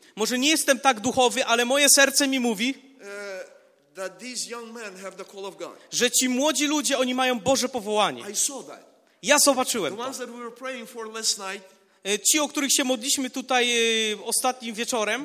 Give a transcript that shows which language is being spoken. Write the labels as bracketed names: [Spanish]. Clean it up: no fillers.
[Polish] Może nie jestem tak duchowy, ale moje serce mi mówi, [English] that these young men have the call of God. [Polish] Że ci młodzi ludzie, oni mają Boże powołanie. [English] I saw that. [Polish] Ja zobaczyłem [English] the ones that we were praying for last night. [Polish] Ci, o których się modliśmy tutaj ostatnim wieczorem,